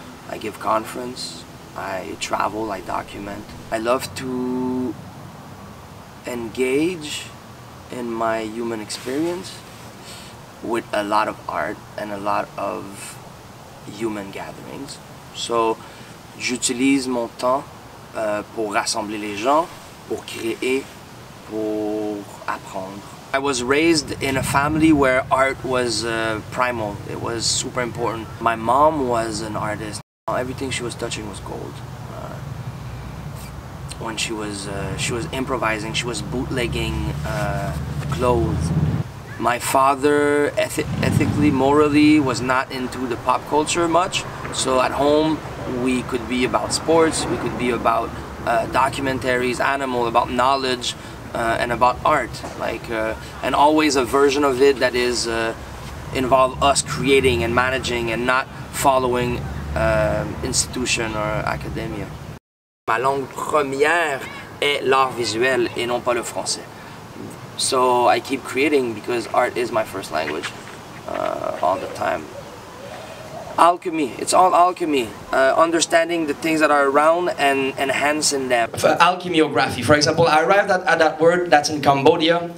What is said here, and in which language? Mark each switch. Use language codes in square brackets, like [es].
[en] I give conference, I travel, I document. I love to engage in my human experience with a lot of art and a lot of human gatherings. So, [fr] j'utilise mon temps pour rassembler les gens, pour créer, pour apprendre. [en] I was raised in a family where art was primal. It was super important. My mom was an artist. Everything she was touching was gold. When she was improvising, she was bootlegging clothes. My father, ethically, morally, was not into the pop culture much. So at home, we could be about sports, we could be about documentaries, animal, about knowledge, and about art. And always a version of it that is involve us creating and managing and not following institution or academia. [fr] Ma langue première est l'art visuel et non pas le français. [en] So I keep creating because art is my first language all the time. Alchemy, it's all alchemy. Understanding the things that are around and enhancing them. Alchimiography, for example, I arrived at that word that's in Cambodia.